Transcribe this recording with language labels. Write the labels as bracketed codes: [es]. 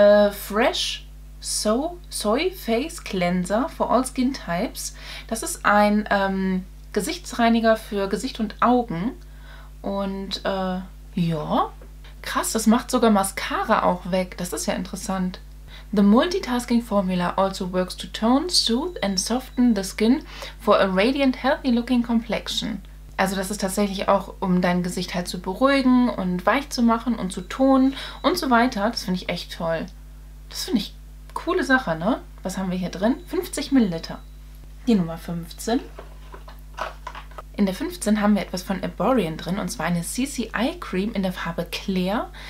[en] Fresh Soy Face Cleanser for All Skin Types. [de] Das ist ein Gesichtsreiniger für Gesicht und Augen. Und ja, krass, das macht sogar Mascara auch weg. Das ist ja interessant. [en] The Multitasking Formula also works to tone, soothe and soften the skin for a radiant, healthy looking complexion. [de] Also das ist tatsächlich auch, um dein Gesicht halt zu beruhigen und weich zu machen und zu tonen und so weiter. Das finde ich echt toll. Das finde ich coole Sache, ne? Was haben wir hier drin? 50 Milliliter. Die Nummer 15. In der 15 haben wir etwas von Erborian drin und zwar eine CC Eye Cream in der Farbe Clear.